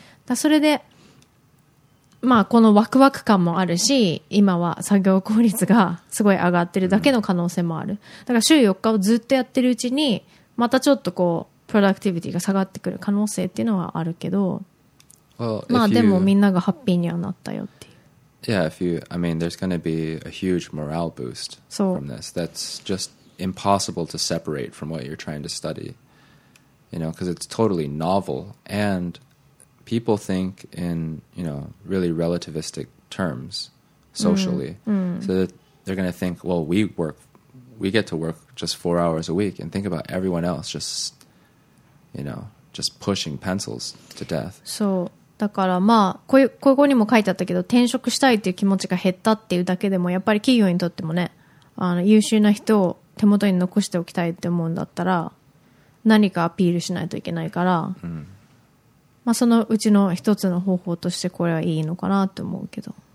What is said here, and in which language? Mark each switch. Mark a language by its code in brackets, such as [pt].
[ja] だそれでまあこのワクワク感もあるし今は作業効率がすごい上がってるだけの可能性もある。だから週4日をずっとやってるうちにまたちょっとこうプロダクティビティが下がってくる可能性っていうのはあるけど、まあでもみんながハッピーにはなったよ。 [en] Yeah, if you, I mean, there's going to be a huge morale boost from this. That's just impossible to separate from what you're trying to study, you know, because it's totally novel. And people think in, you know, really relativistic terms socially. So that they're going to think, well, we get to work just 4 hours a week and think about everyone else just, you know, just pushing pencils to death. So. [ja] だからまあここにも書いてあったけど転職したいっていう気持ちが減ったっていうだけでもやっぱり企業にとってもねあの優秀な人を手元に残しておきたいって思うんだったら何かアピールしないといけないから、うん、まあそのうちの一つの方法としてこれはいいのかなって思うけど、